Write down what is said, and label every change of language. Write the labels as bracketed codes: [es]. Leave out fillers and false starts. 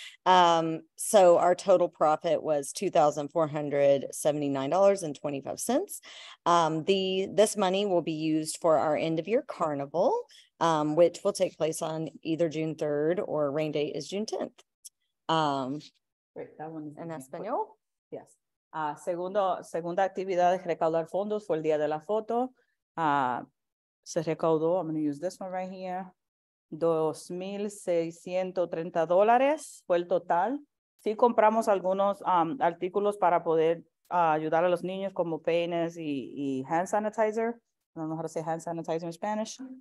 [en] So our total profit was $2,479.25. This money will be used for our end of year carnival, which will take place on either June 3rd or rain date is June 10th. Great, that one is [es] en español. [en] Yes. [es] Segunda actividad de recaudar fondos fue el día de la foto. se recaudó, [en] I'm going to use this one right here, [es] $2,630 fue el total. Sí compramos algunos artículos para poder ayudar a los niños como peines y hand sanitizer. [en] I don't know how to say hand sanitizer in Spanish.